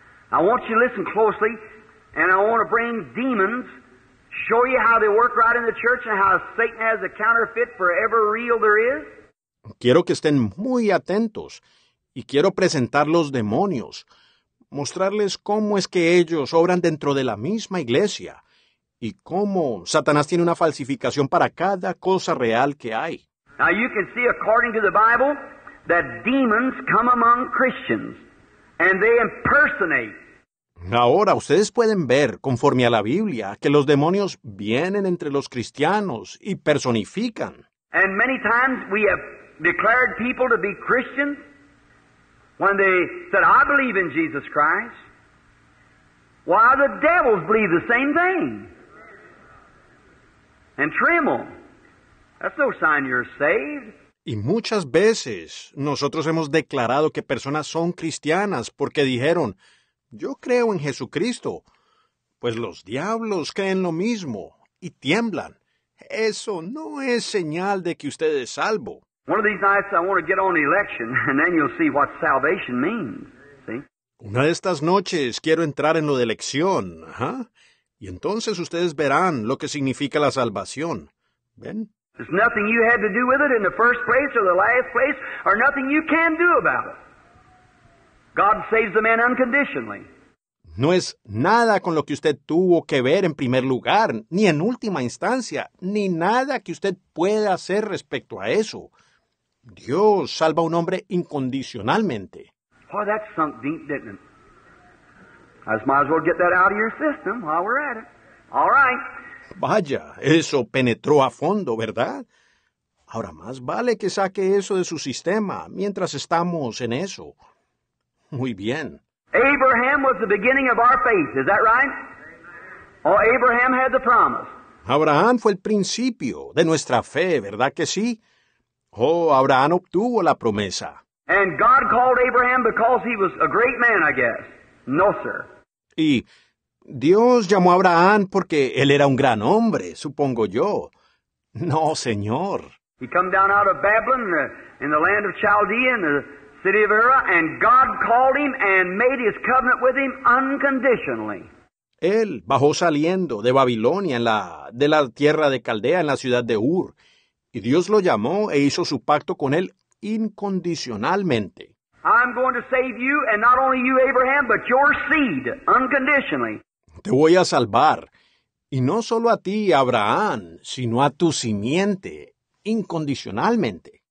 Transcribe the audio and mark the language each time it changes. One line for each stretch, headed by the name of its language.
English: I want you to listen closely, and I want to bring demons, show you how they work right in the church, and how Satan has a counterfeit for every real there is.
Spanish: Quiero que estén muy atentos, y quiero presentar los demonios. Mostrarles cómo es que ellos obran dentro de la misma iglesia y cómo Satanás tiene una falsificación para cada cosa real que hay.
English: Now you can see according to the Bible that demons come among Christians and they impersonate.
Spanish: Ahora ustedes pueden ver conforme a la Biblia que los demonios vienen entre los cristianos y personifican.
English: And many times we have declared people to be Christians when they said, I believe in Jesus Christ, why, the devils believe the same thing and tremble. That's no sign you're saved.
Spanish: Y muchas veces nosotros hemos declarado que personas son cristianas porque dijeron, yo creo en Jesucristo. Pues los diablos creen lo mismo y tiemblan. Eso no es señal de que usted es salvo.
English: One of these nights I want to get on the election and then you'll see what salvation means. See?
Spanish: Una de estas noches quiero entrar en lo de elección. ¿Huh? Y entonces ustedes verán lo que significa la salvación. ¿Ven?
English: There's nothing you had to do with it in the first place or the last place or nothing you can do about it. God saves the man unconditionally.
Spanish: No es nada con lo que usted tuvo que ver en primer lugar, ni en última instancia, ni nada que usted pueda hacer respecto a eso. Dios salva a un hombre incondicionalmente.
English: Boy, that sunk deep, didn't it? I might as well get that out of your system while we're at it. All right.
Spanish: Vaya, eso penetró a fondo, ¿verdad? Ahora más vale que saque eso de su sistema mientras estamos en eso. Muy bien.
English: Abraham was the beginning of our faith, is that right? Oh, Abraham had the promise.
Spanish: Abraham fue el principio de nuestra fe, ¿verdad que sí? Oh, Abraham obtuvo la promesa.
English: And God called Abraham because he was a great man, I guess. No, sir.
Spanish: Y Dios llamó a Abraham porque él era un gran hombre, supongo yo. No, señor.
English: He come down out of Babylon, in the land of Chaldea, in the city of Ur, and God called him and made his covenant with him unconditionally.
Spanish: Él bajó saliendo de Babilonia, de la tierra de Caldea, en la ciudad de Ur, y Dios lo llamó e hizo su pacto con él incondicionalmente.
English: I'm going to save you, and not only you, Abraham, but your seed, unconditionally.
Spanish: Te voy a salvar, y no solo a ti, Abraham, sino a tu simiente, incondicionalmente.